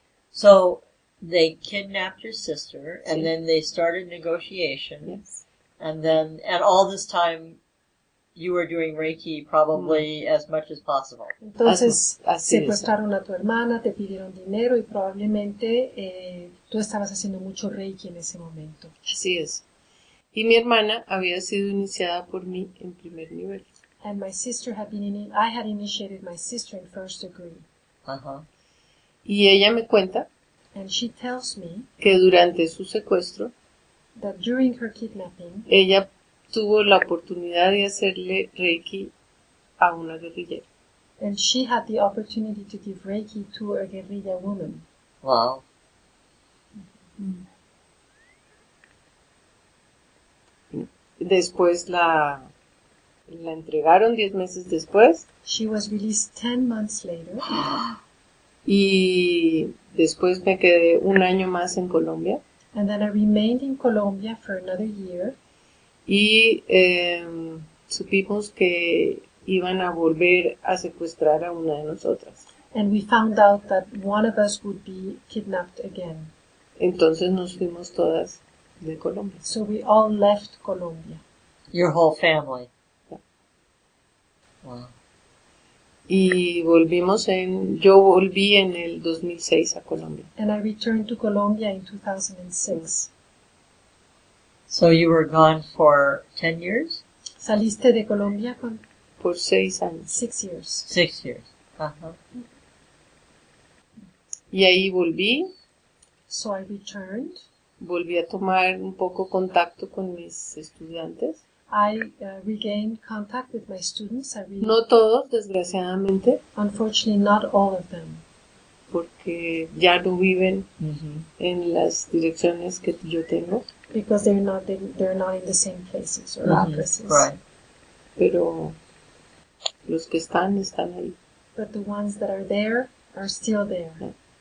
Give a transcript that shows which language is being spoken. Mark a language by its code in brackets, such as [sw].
[en] So they kidnapped your sister, and then they started negotiations. Yes. And then, and all this time, you were doing Reiki probably as much as possible. [es] Entonces, secuestraron a tu hermana, te pidieron dinero, y probablemente tú estabas haciendo mucho Reiki en ese momento. Así es. Y mi hermana había sido iniciada por mí en primer nivel. [en] And my sister had been I had initiated my sister in first degree. [es] Uh-huh. Y ella me cuenta [en] And she tells me [es] que durante su secuestro [en] that during her kidnapping, [es] ella tuvo la oportunidad de hacerle Reiki a una guerrillera. [en] And she had the opportunity to give Reiki to a guerrilla woman. Wow. [es] Después la entregaron 10 meses después. [en] She was released 10 months later. [es] Y después me quedé un año más en Colombia. [en] And then I remained in Colombia for another year. [es] Y supimos que iban a volver a secuestrar a una de nosotras. [en] And we found out that one of us would be kidnapped again. [es] Entonces nos fuimos todas de Colombia. [en] So we all left Colombia. Your whole family. Wow. [es] Y volvimos en, yo volví en el 2006 a Colombia. [en] And I returned to Colombia in 2006. So you were gone for 10 years? [es] ¿Saliste de Colombia con? Por 6 años. [en] 6 years. 6 years. [es] Y ahí volví. [en] So I returned. [es] Volví a tomar un poco contacto con mis estudiantes. [en] I regained contact with my students. [es] No todos, desgraciadamente. [en] Unfortunately, not all of them. [es] Porque ya no viven en las direcciones que yo tengo. [en] Because they're not in the same places or addresses. Right. [es] Pero los que están, están ahí. [en] But the ones that are there are still there.